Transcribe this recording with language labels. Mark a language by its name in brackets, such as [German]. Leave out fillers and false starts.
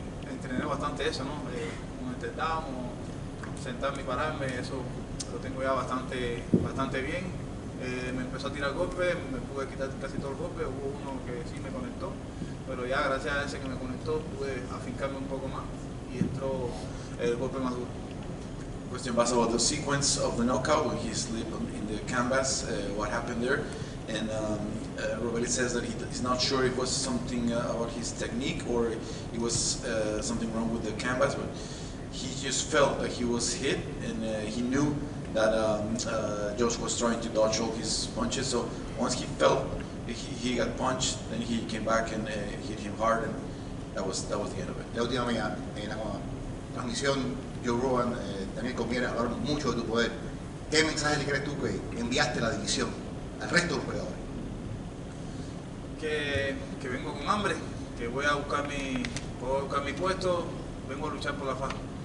[Spanish] Entrené bastante eso, ¿no? Un intentado, sentarme y pararme, eso lo tengo ya bastante, bastante bien. Me empezó a tirar golpes, me pude quitar casi todos los golpes, hubo uno que sí me conectó, pero ya gracias a ese que me conectó pude afincarme un poco más y entró el golpe más duro. [English] Question was about the sequence of the knockout when he slipped in the canvas, what happened there. And Robert says that he's not sure if it was something about his technique or it was something wrong with the canvas, but he just felt that he was hit, and he knew that Josh was trying to dodge all his punches. So once he felt he got punched, then he came back and hit him hard, and that was the end of it. [Spanish] La última mañana, en la transmisión, Joe Rogan también comiera hablar mucho de tu poder. ¿Qué mensaje le crees tú que enviaste a la división, al resto de los peleadores? Que vengo con hambre, que voy a buscar mi puesto, vengo a luchar por la faja.